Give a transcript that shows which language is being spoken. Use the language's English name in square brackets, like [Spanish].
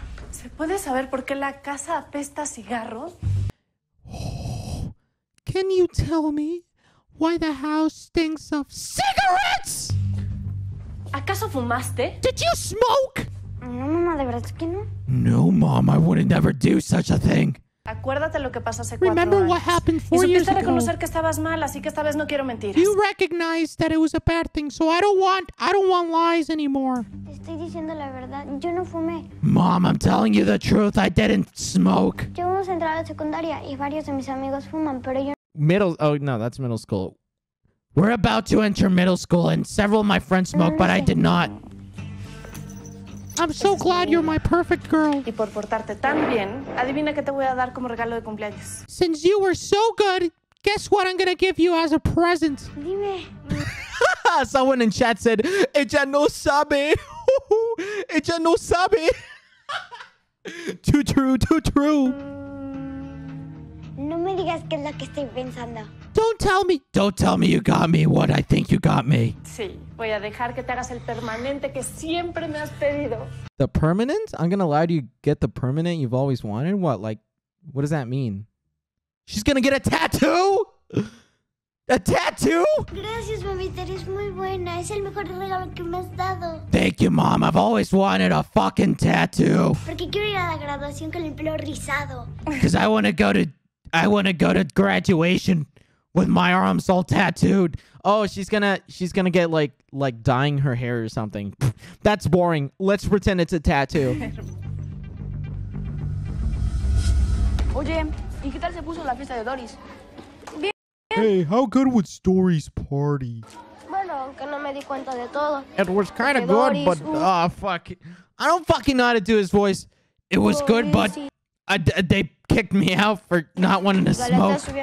[Spanish] ¿Se puede saber por qué la casa apesta cigarros? [English] Can you tell me why the house stinks of cigarettes? [Spanish] ¿Acaso fumaste? [English] Did you smoke? [Spanish] No, mama, de verdad es que no. [English] No, mom, I would never do such a thing. [Spanish] Acuérdate lo que pasó hace 4 años. [English] Remember what happened 4 years ago. [Spanish] Y supiste reconocer que estabas mal, así que esta vez no quiero mentiras. [English] You recognized that it was a bad thing, so I don't want lies anymore. [Spanish] Te estoy diciendo la verdad, yo no fumé. [English] Mom, I'm telling you the truth, I didn't smoke. [Spanish] Yo hemos entrado a secundaria y varios de mis amigos fuman, pero yo... [English] Middle... Oh, no, that's middle school. We're about to enter middle school and several of my friends smoke, but I did not. I'm so glad you're my perfect girl. [Spanish] Y por portarte tan bien, adivina qué te voy a dar como regalo de cumpleaños. [English] Since you were so good, guess what I'm gonna give you as a present. [Spanish] Dime. [English] Someone in chat said, [Spanish] ella no sabe. Ella no sabe. [English] Too true. [Spanish] No me digas que es lo que estoy pensando. [English] Don't tell me you got me what I think you got me. [Spanish] Sí, voy a dejar que te hagas el permanente que siempre me has pedido. [English] The permanent? I'm gonna allow you to get the permanent you've always wanted? What, like, what does that mean? She's gonna get a tattoo? A tattoo? [Spanish] Gracias, mamita, eres muy buena. Es el mejor regalo que me has dado. [English] Thank you, mom. I've always wanted a fucking tattoo. [Spanish] Porque quiero ir a la graduación con el pelo rizado. [English] Because I want to go to graduation with my arms all tattooed. Oh, she's gonna get like dyeing her hair or something. That's boring. Let's pretend it's a tattoo. [Spanish] Oye, ¿y qué tal se puso la fiesta de Doris? [English] Bien. Hey, how good was Doris' party? [Spanish] Bueno, aunque no me di cuenta de todo. [English] It was kind of good, Doris, but fuck. I don't fucking know how to do his voice. It was Doris, good, but sí. They kicked me out for not wanting to smoke.